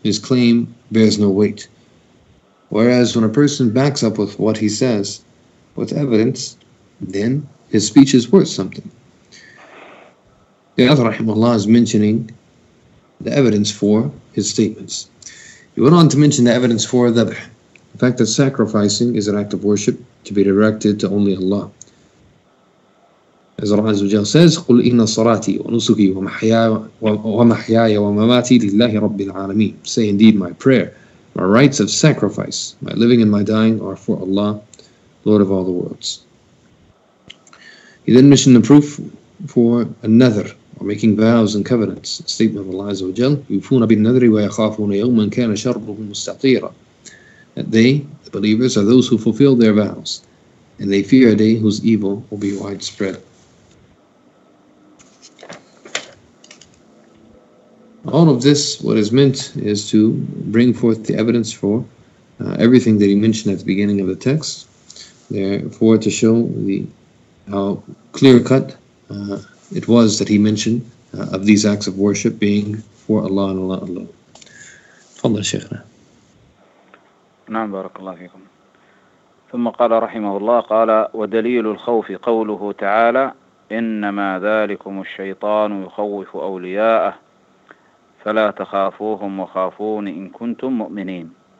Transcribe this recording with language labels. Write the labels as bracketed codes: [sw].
[en] His claim bears no weight. Whereas when a person backs up with what he says, with evidence, then his speech is worth something. The author, rahimahullah, is mentioning the evidence for his statements. He went on to mention the evidence for dhabh, the fact that sacrificing is an act of worship to be directed to only Allah. As Allah says, [ar] قُلْ إِنَّ صَرَاتِي وَنُسُكِي وَمَحْيَايَ وَمَمَاتِي لِلَّهِ رَبِّ الْعَالَمِينَ. [en] Say indeed my prayer, my rites of sacrifice, my living and my dying are for Allah, Lord of all the worlds. He then mentioned the proof for another, or making vows and covenants. A statement of Allah Azza wa Jal, [ar] يُفُونَ بِالنَّذْرِ وَيَخَافُونَ يَوْمًا كَانَ شَرُّهُ مُسْتَطِيرًا. [en] That they, the believers, are those who fulfill their vows, and they fear a day whose evil will be widespread. All of this, what is meant, is to bring forth the evidence for everything that he mentioned at the beginning of the text, therefore to show the how clear-cut it was that he mentioned of these acts of worship being for Allah and Allah alone. [ar] Tafadhal Shaykhna. نعم بارك الله فيكم. ثم قال رحمه الله قال ودليل الخوف قوله تعالى إنما ذلكم الشيطان يخوف أولياءه فلا تخافوهم وخافون إن كنتم مؤمنين.